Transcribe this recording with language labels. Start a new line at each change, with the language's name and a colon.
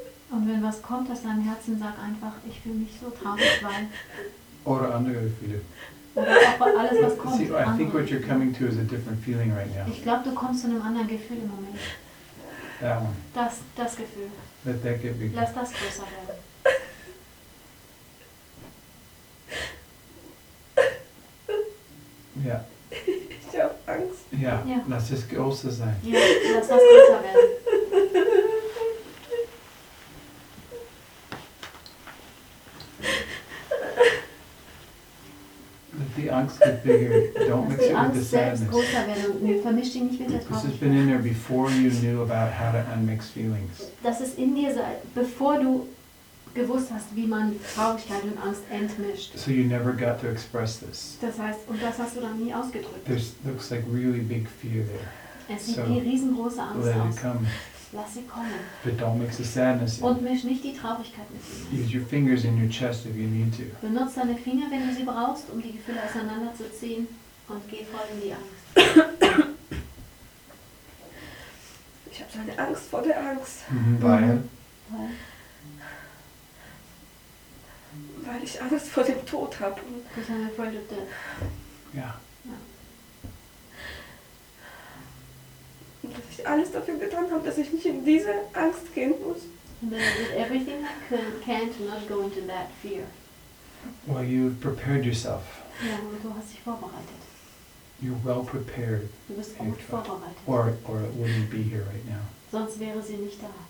German: Und wenn was kommt aus deinem Herzen, sag einfach, ich fühle mich so traurig, weil... Oder andere Gefühle. Alles, was kommt, see, I andere.
English: Think what you're coming to is a different feeling right now.
German: Ich glaube, du kommst zu einem anderen Gefühl im Moment.
English: That one.
German: Das Gefühl.
English: Let that get bigger.
German: Lass das größer werden. Ja. Ich habe Angst. Ja, lass es größer sein. Ja, lass das größer werden.
English: Angst get bigger. Don't mix it with the sadness. This has been in there before you knew about how to unmix feelings.
German: Das ist in dir, bevor du gewusst hast, wie man Traurigkeit und Angst entmischt.
English: So you never got to express this.
German: Das heißt, und das hast du dann nie ausgedrückt.
English: There looks like really big fear there.
German: Es sieht wie riesengroße Angst
English: let
German: aus.
English: It come.
German: Lass sie kommen.
English: But don't mix the sadness in.
German: Und misch nicht die Traurigkeit mit ihnen.
English: Use your fingers in your chest if you need to.
German: Benutz deine Finger, wenn du sie brauchst, um die Gefühle auseinanderzuziehen und geh voll in die Angst. Ich habe so eine Angst vor der Angst. Weil ich Angst vor dem Tod habe.
English: Because I'm afraid of death.
German: Ja. Dass ich alles dafür getan habe, dass ich nicht in diese Angst gehen muss.
English: Everything I can to not go into that fear. Well, you've prepared yourself.
German: Ja, du hast dich vorbereitet.
English: You're well prepared.
German: Du bist gut vorbereitet.
English: Or it wouldn't be here right now.
German: Sonst wäre sie nicht da.